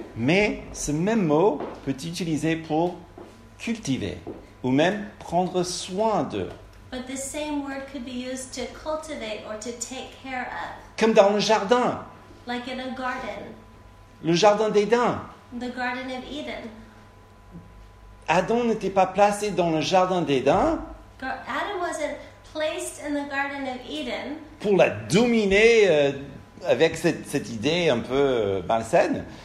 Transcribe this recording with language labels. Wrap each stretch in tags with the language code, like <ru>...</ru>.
<fr>Mais ce même mot peut être utilisé pour cultiver ou même prendre soin d'eux.</fr> <en>But the same word could be used to cultivate or to take care of.</en> <fr>Comme dans le jardin.</fr> <en>Like in a garden.</en> <fr>Le jardin d'Éden.</fr> <en>The Garden of Eden.</en> <fr>Adam n'était pas placé dans le jardin d'Éden.</fr> <en>Adam wasn't placed in the Garden of Eden.</en> <fr>Pour la dominer avec cette idée un peu malsaine.</fr>